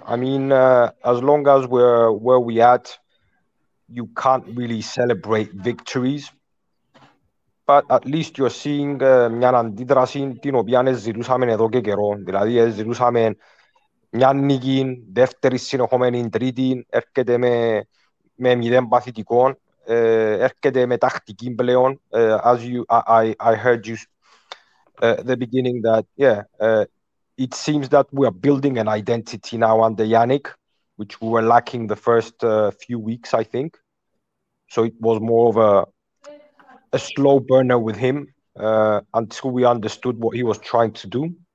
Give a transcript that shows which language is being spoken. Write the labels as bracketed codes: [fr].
[en] I mean, as long as we're where we at, you can't really celebrate victories. But at least you're seeing [el] μια αντίδραση την οποία ζητούσαμε εδώ και καιρό. Δηλαδή ζητούσαμε μια νίκη, δεύτερη συνεχόμενη, τρίτη, έρχεται με μηδέν παθητικών, έρχεται με τακτική πλέον. [en] As you, I heard you the beginning that, yeah, it seems that we are building an identity now under Yannick, which we were lacking the first few weeks, I think. So it was more of a slow burner with him until we understood what he was trying to do.